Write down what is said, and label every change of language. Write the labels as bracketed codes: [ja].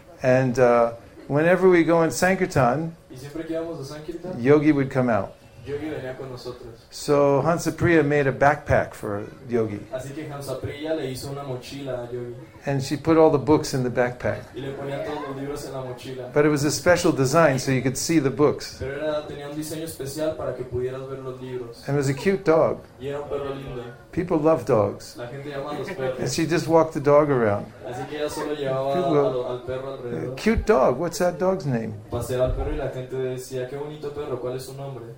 [en] And whenever we go in Sankirtan, Yogi would come out. [es] Yogi venía con nosotros. [en] So Hansapriya made a backpack for Yogi. [es] Así que Hansapriya le hizo una mochila a Yogi. [en] And she put all the books in the backpack. [es] Y le ponía todos los libros en la mochila. [en] But it was a special design so you could see the books. [es] Pero era, tenía un diseño especial para que pudieras ver los libros. [en] And it was a cute dog. [es] Y era un perro lindo. [en] People love dogs. [es] La gente llama a los perros. [en] And she just walked the dog around. [es] Así que ella solo llevaba al perro alrededor. [en] Cute dog. What's that dog's name? [es] Paseaba al perro y la gente decía, qué bonito perro, ¿cuál es su nombre?